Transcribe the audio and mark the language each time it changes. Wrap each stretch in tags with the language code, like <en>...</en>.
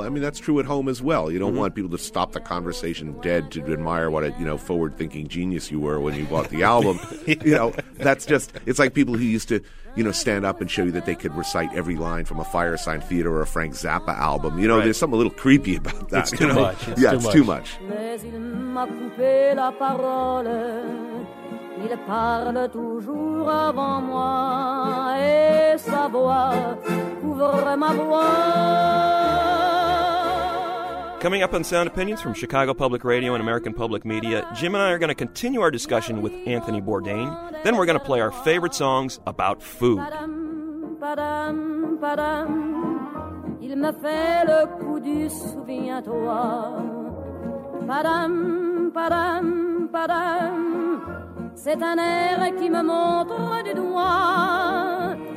<en>I mean, that's true at home as well. You don't want people to stop the conversation dead to admire what a, you know, forward-thinking genius you were when you bought the album. You know, that's just, it's like people who used to, you know, stand up and show you that they could recite every line from a Fire Sign Theater or a Frank Zappa album. You know, there's something a little creepy about that. It's too much. Yeah, it's too much.</en> <fr>Mais il m'a coupé la parole. Il parle toujours avant moi et sa voix couvre ma voix.</fr> <en>Coming up on Sound Opinions from Chicago Public Radio and American Public Media, Jim and I are going to continue our discussion with Anthony Bourdain. Then we're going to play our favorite songs about food.</en> <fr>Padam, padam, il me fait le coup du souviens-toi. Padam, padam, padam, c'est un air qui me montre du doigt.</fr>